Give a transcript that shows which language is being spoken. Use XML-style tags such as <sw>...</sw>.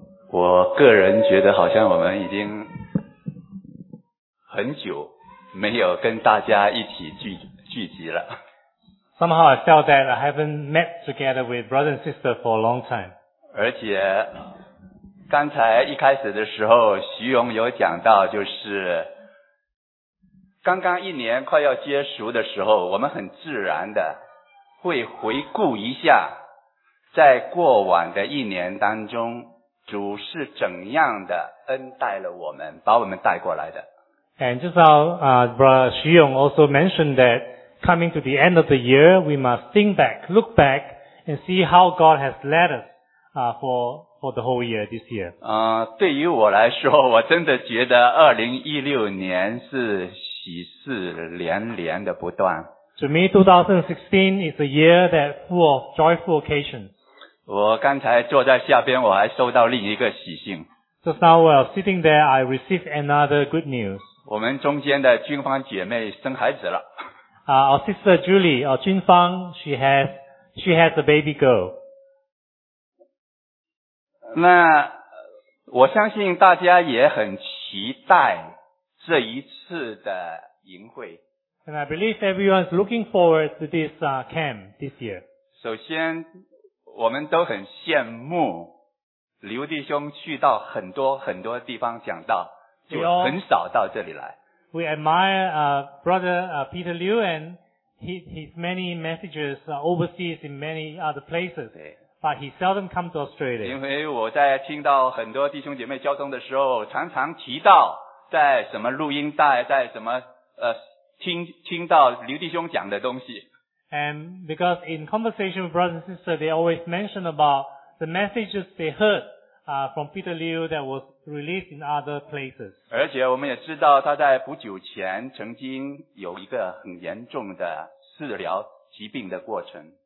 <zh>我个人觉得好像我们已经很久没有跟大家一起聚集了。</zh> <en>Somehow I felt that I haven't met together with brother and sister for a long time。</en> <zh>而且刚才一开始的时候徐荣有讲到，就是刚刚一年快要结束的时候，我们很自然的会回顾一下在过往的一年当中主是怎样的恩待了我们，把我们带过来的。</zh> <en>And just brother Xu Yong also mentioned that coming to the end of the year, we must think back, look back, and see how God has led us for the whole year this year.</en> <zh>对于我来说，我真的觉得2016年是喜事连连的不断。</zh> <en>To me, 2016 is a year that full of joyful occasions.</en> <zh>我刚才坐在下边，我还收到另一个喜讯。</zh> <en>Just now, while sitting there, I received another good news.</en> <zh>我们中间的军方姐妹生孩子了。</zh> <en>Our sister Julie, 军方 she has a baby girl.</en> <zh>那我相信大家也很期待这一次的营会。</zh> <en>And I believe everyone's looking forward to this camp this year.</en> <zh>首先我们都很羡慕刘弟兄去到很多很多地方讲道。就很少到这里来。</zh> <en>We admire brother Peter Liu and his many messages overseas in many other places. But he seldom come to Australia.</en> <zh>因为我在听到很多弟兄姐妹交通的时候，常常提到在什么录音带，在什么听到刘弟兄讲的东西。</zh> <en>And because in conversation with brothers and sisters, they always mention about the messages they heard. From Peter Liu that was released in other places.</en> <zh>而且我们也知道他在不久前曾经有一个很严重的治疗疾病的过程。</zh>